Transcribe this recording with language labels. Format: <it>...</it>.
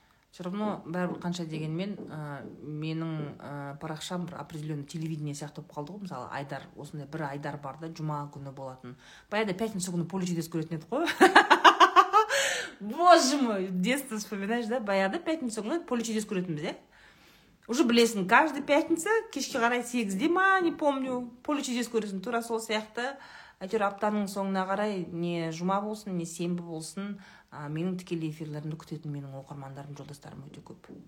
<ru>Все равно,</ru> <kk>бәрі қанша дегенмен, менің парақшам бір определенный телевидение сияқты болып қалды ғой, мысалы, Айдар, осында бір Айдар бар да, жұма күні болатын. Баяғыда пятница күні поле чудес көретін едік қой.</kk> <ru>Боже мой, детство вспоминаешь, да?</ru> <kk>Баяғыда пятница күні поле чудес көретінбіз, да? Уже білесің,</kk> <ru>каждый пятница,</ru> <kk>кешке қарай 8-де ма,</kk> <ru>не помню,</ru> <kk>поле чудес көресің, тура сол сияқты. Әйтеуір аптаның соңына қарай не жұма болсын, не сенбі болсын, менің тікелей эфирлерімді күтетін менің оқырмандарым, жолдастарым өте көп.</kk>